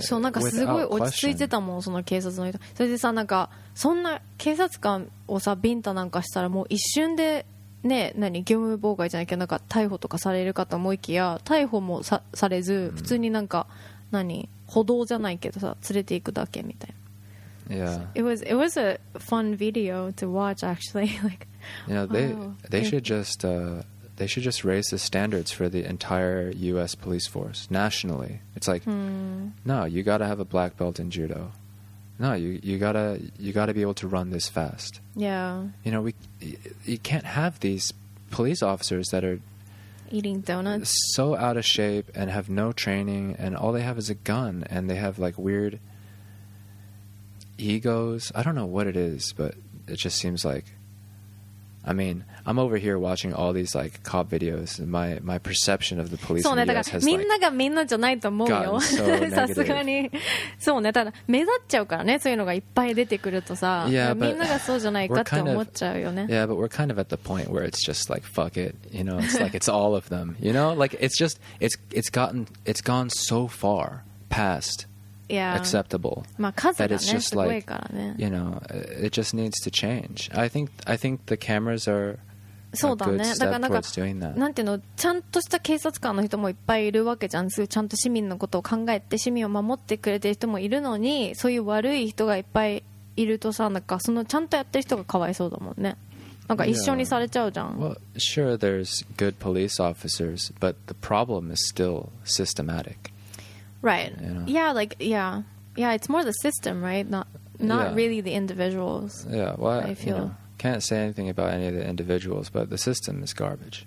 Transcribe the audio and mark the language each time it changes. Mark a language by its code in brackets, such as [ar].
[ja] so, なんかすごい落ち着いてたもん、その警察の人。それでさ、なんかそんな警察官をさビンタなんかしたらもう一瞬でね、何業務妨害じゃなきゃなんか逮捕とかされるかと思いきや、逮捕もされず、普通になんか、何歩道じゃないけどさ連れて行くだけみたいな。 [en] Yeah. It was a fun video to watch actually. Like, you know, they should just raise the standards for the entire US police force nationally. It's like, no, you got to have a black belt in judo. No, you got to be able to run this fast. Yeah. You know, you can't have these police officers that are eating donuts, so out of shape and have no training, and all they have is a gun, and they have like weird egos. I don't know what it is, but it just seems like, I mean, I'm over here watching all these like cop videos, and my perception of the police [ja] そうね、だからみんながみんなじゃないと思うよ。さすがに。そうね、ただ目立っちゃうからね、そういうのがいっぱい出てくるとさ、 yeah, みんながそうじゃないかって思っちゃうよね。 [en] Yeah, but we're kind of at the point where it's just like fuck it, you know? It's like it's all of them, you know? Like it's gone so far past Yeah. acceptable. [ja] まあ、 [en] that it's just like, [ja] ね、 [en] you know, it just needs to change. I think the cameras are [ja] そうだね。だからなんか、なんていうの、ちゃんとした警察官の人もいっぱいいるわけじゃん。すぐちゃんと市民のことを考えて市民を守ってくれてる人もいるのに、そういう悪い人がいっぱいいるとさ、なんかそのちゃんとやってる人がかわいそうだもんね。なんか一緒にされちゃうじゃん。 [en] Well, sure, there's good police officers, but the problem is still systematic. Right. You know? Yeah, like, yeah. Yeah, it's more the system, right? Not really the individuals. Yeah, well, I feel. You know, can't say anything about any of the individuals, but the system is garbage.